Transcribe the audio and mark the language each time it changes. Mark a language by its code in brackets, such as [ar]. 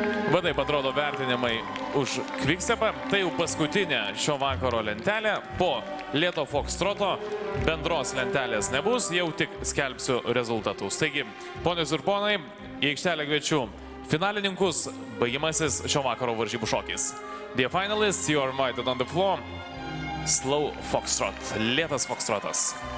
[lt] Vadai patrodo vertinimai už kviksepą. Tai jau paskutinė šio vakaro lentelė. Po lėto fokstroto bendros lentelės nebus, jau tik skelbsiu rezultatus. Taigi, ponios ir ponai, į aikštelę kviečiu finalininkus, baigimasis šio vakaro varžybų šokis. [en] The finalists, you are invited on the floor. Slow foxtrot, [lt] lėtas foxtrotas.